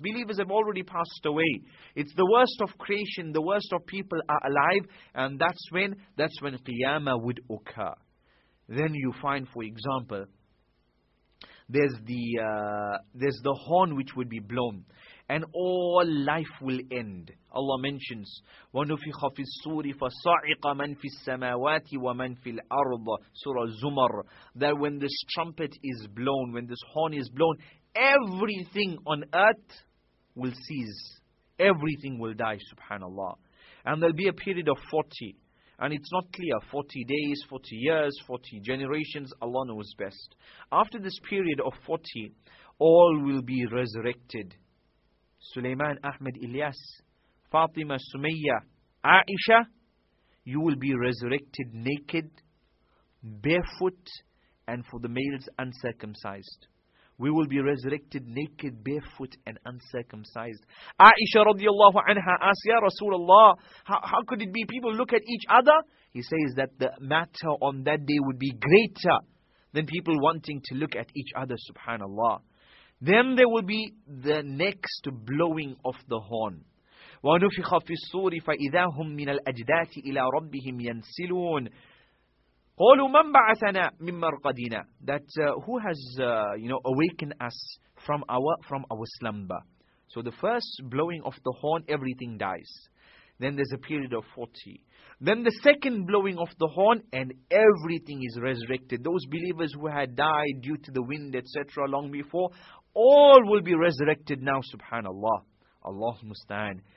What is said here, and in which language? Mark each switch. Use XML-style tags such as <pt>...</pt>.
<en>Believers have already passed away. It's the worst of creation. The worst of people are alive. And that's when Qiyamah would occur. Then you find, for example, there's the horn which would be blown, and all life will end. Allah mentions,</en> <ar>وَنُفِخَ فِي الصُّورِ فَصَعِقَ مَنْ فِي السَّمَاوَاتِ وَمَنْ فِي الْأَرْضِ, Surah Zumar.</ar> <en>That when this trumpet is blown, when this horn is blown, everything on earth will cease. Everything will die, subhanAllah. And there'll be a period of 40. And it's not clear, 40 days, 40 years, 40 generations, Allah knows best. After this period of 40, all will be resurrected. Sulaiman, Ahmed, Ilyas, Fatima, Sumayya, Aisha, you will be resurrected naked, barefoot, and for the males, uncircumcised. We will be resurrected naked, barefoot, and uncircumcised. Aisha radiallahu anha asks, Ya Rasulullah, how could it be? People look at each other. He says that the matter on that day would be greater than people wanting to look at each other, subhanAllah. Then there will be the next blowing of the horn.</en> <ar>وَنُفِخَ فِي الصُّورِ فَإِذَا هُمْ مِنَ الْأَجْدَاثِ إِلَىٰ رَبِّهِمْ يَنْسِلُونَ قَالُوا مَنْ بَعَثَنَا مِنْ مَرْقَدِنَا,</ar> <en>that who has awakened us from our slumber. So the first blowing of the horn, everything dies. Then there's a period of 40. Then the second blowing of the horn, and everything is resurrected. Those believers who had died due to the wind, etc., long before, all will be resurrected now, subhanAllah. Allah musta'an.</en>